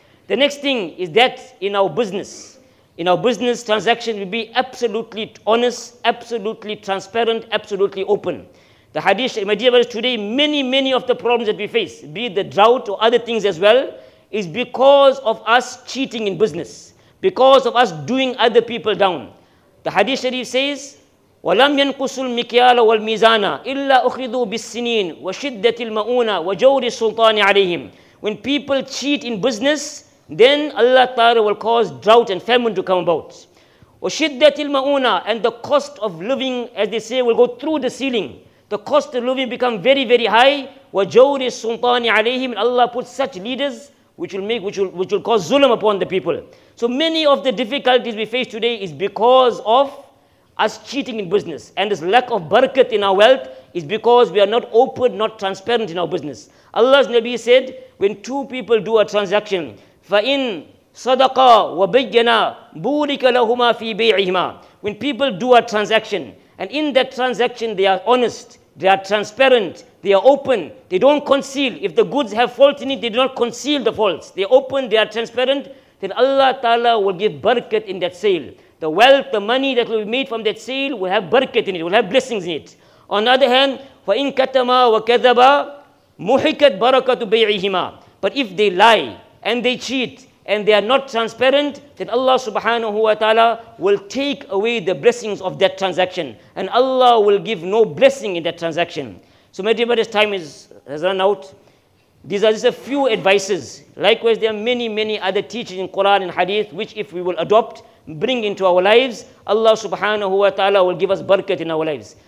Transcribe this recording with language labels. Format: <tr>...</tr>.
<en>The next thing is that in our business transactions, we be absolutely honest, absolutely transparent, absolutely open. The hadith, my dear brothers, today, many, many of the problems that we face, be it the drought or other things as well, is because of us cheating in business. Because of us doing other people down. The Hadith Sharif says,</en> <ar>وَلَمْ يَنْقُسُ الْمِكْيَالَ وَالْمِيزَانَ إِلَّا أُخِذُوا بِالسِّنِينَ وَشِدَّةِ الْمَؤُونَ وَجَوْرِ السُّلْطَانِ عَلَيْهِمْ.</ar> <en>When people cheat in business, then Allah Ta'ala will cause drought and famine to come about.</en> <ar>وَشِدَّةِ الْمَؤُونَ,</ar> <en>and the cost of living, as they say, will go through the ceiling. The cost of living become very, very high.</en> <ar>وَجَوْرِ السُّلْطَانِ عَلَيْهِمْ.</ar> <en>Allah puts such leaders which will cause zulm upon the people. So many of the difficulties we face today is because of us cheating in business. And this lack of barakat in our wealth is because we are not open, not transparent in our business. Allah's Nabi said, when two people do a transaction,</en> <ar>فَإِن صَدَقَا وَبَيَّنَا بُورِكَ لَهُمَا فِي بَيْعِهِمَا.</ar> <en>When people do a transaction, and in that transaction they are honest, they are transparent, they are open, they don't conceal. If the goods have fault in it, they do not conceal the faults. They are open, they are transparent, then Allah Ta'ala will give barakat in that sale. The wealth, the money that will be made from that sale will have barakat in it, will have blessings in it. On the other hand,</en> <ar>فَإِنْ كَتَمَا وَكَذَبَا مُحِكَتْ بَرَكَةُ بَيْعِهِمَا.</ar> <en>But if they lie and they cheat and they are not transparent, then Allah subhanahu wa ta'ala will take away the blessings of that transaction. And Allah will give no blessing in that transaction. So my dear brothers, time has run out. These are just a few advices. Likewise, there are many, many other teachings in Quran and Hadith, which if we will adopt, bring into our lives, Allah subhanahu wa ta'ala will give us barakat in our lives.</en>